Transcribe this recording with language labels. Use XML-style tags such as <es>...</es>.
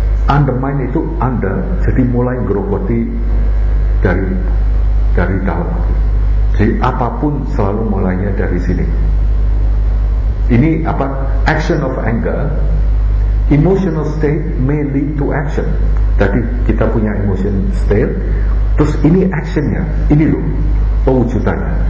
<id>Undermine itu under, jadi mulai gerogoti dari dalam. Jadi apapun selalu mulainya dari sini. Ini apa?</id> <en>Action of anger, emotional state may lead to action.</en> <id>Jadi kita punya emotion state, terus ini actionnya, ini loh, pewujudannya.</id>